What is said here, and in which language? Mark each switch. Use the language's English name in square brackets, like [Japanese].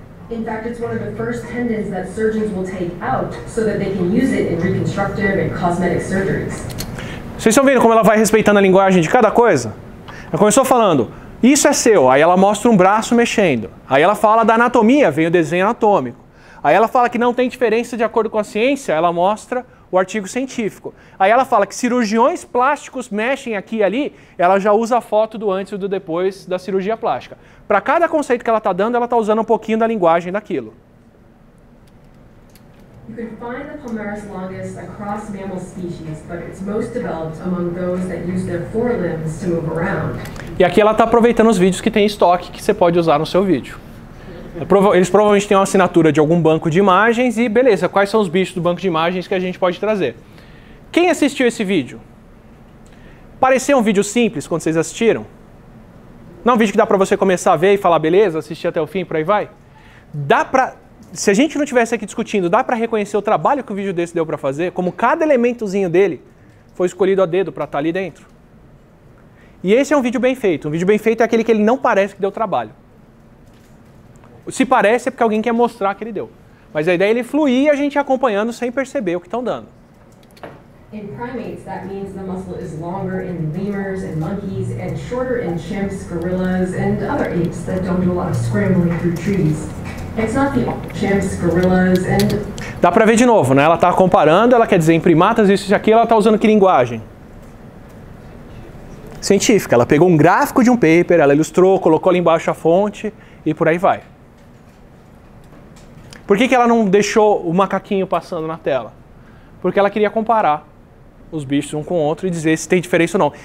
[English] In fact, it's one of the first tendons that surgeons will take out so that they can use it in reconstructive and cosmetic surgeries. [Portuguese] Vocês estão vendo como ela vai respeitando a linguagem de cada coisa? Ela começou falando, isso é seu, aí ela mostra um braço mexendo. Aí ela fala da anatomia, vem o desenho anatômico. Aí ela fala que não tem diferença de acordo com a ciência, ela mostra o artigo científico. Aí ela fala que cirurgiões plásticos mexem aqui e ali, ela já usa a foto do antes e do depois da cirurgia plástica. Para cada conceito que ela está dando, ela está usando um pouquinho da linguagem daquilo. [English] You can find the palmaris longus across mammal species, but it's most developed among those that use their forelimbs to move around. [Portuguese] E aqui ela está aproveitando os vídeos que tem estoque, que você pode usar no seu vídeo. Eles provavelmente têm uma assinatura de algum banco de imagens e beleza, quais são os bichos do banco de imagens que a gente pode trazer? Quem assistiu esse vídeo? Pareceu um vídeo simples quando vocês assistiram? Não é um vídeo que dá para você começar a ver e falar beleza, assistir até o fim, por aí vai? Dá para, se a gente não estivesse aqui discutindo, dá para reconhecer o trabalho que o vídeo desse deu para fazer? Como cada elementozinho dele foi escolhido a dedo para estar ali dentro? E esse é um vídeo bem feito. Um vídeo bem feito é aquele que ele não parece que deu trabalho. Se parece, é porque alguém quer mostrar que ele deu. Mas a ideia é ele fluir e a gente ir acompanhando sem perceber o que estão dando. [English] In primates, that means the muscle is longer in lemurs and monkeys and shorter in chimps, gorillas and other apes that don't do a lot of scrambling through trees. It's not the chimps, gorillas and... [Portuguese] Dá pra ver de novo, né? Ela tá comparando, ela quer dizer em primatas, isso e aquilo, ela tá usando que linguagem? Científica. Ela pegou um gráfico de um paper, ela ilustrou, colocou ali embaixo a fonte e por aí vai. Por que ela não deixou o macaquinho passando na tela? Porque ela queria comparar os bichos um com o outro e dizer se tem diferença ou não.